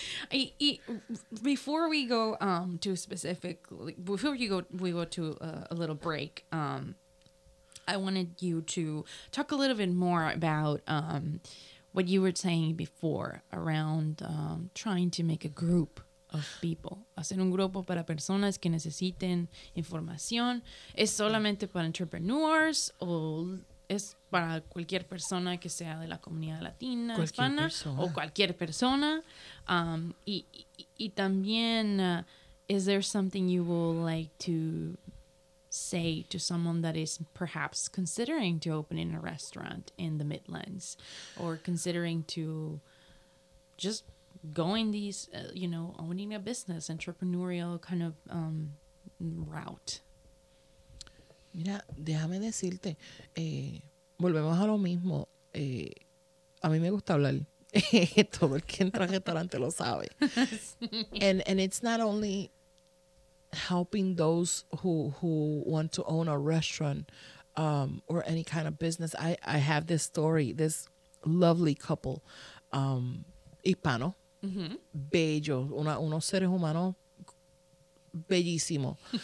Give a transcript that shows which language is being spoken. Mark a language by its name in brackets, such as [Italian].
[English] Y before we go to specifically, before you go, we go to a little break, I wanted you to talk a little bit more about what you were saying before around trying to make a group of people. [Spanish] Hacer un grupo para personas que necesiten información. ¿Es solamente para entrepreneurs o es para cualquier persona que sea de la comunidad latina, hispana? O cualquier persona. Y también, [English] is there something you would like to say to someone that is perhaps considering to open a restaurant in the Midlands or considering to just going these, you know, owning a business, entrepreneurial kind of route? [Spanish] Mira, déjame decirte, volvemos a lo mismo. A mí me gusta hablar. Todo el que entra al restaurante lo sabe. [English] And it's not only helping those who want to own a restaurant or any kind of business. I have this story, this lovely couple, [Spanish] hispano, bello, unos seres humanos bellísimo.